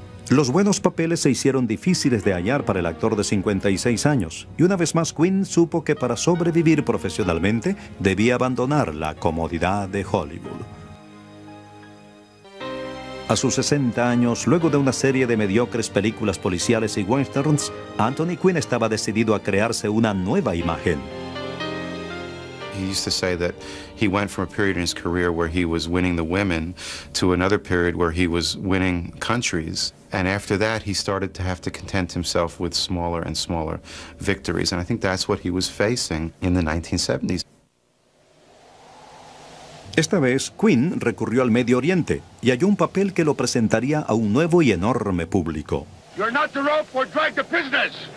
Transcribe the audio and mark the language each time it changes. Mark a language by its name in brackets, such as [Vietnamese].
[Spanish] Los buenos papeles se hicieron difíciles de hallar para el actor de 56 años, y una vez más Quinn supo que para sobrevivir profesionalmente debía abandonar la comodidad de Hollywood. A sus 60 años, luego de una serie de mediocres películas policiales y westerns, Anthony Quinn estaba decidido a crearse una nueva imagen. [English] He used to say that he went from a period in his career where he was winning the women to another period where he was winning countries. And after that, he started to have to content himself with smaller and smaller victories. And I think that's what he was facing in the 1970s. [Spanish] Esta vez, Quinn recurrió al Medio Oriente y halló un papel que lo presentaría a un nuevo y enorme público. [English] You're not the rope, we're dragged to prisoners.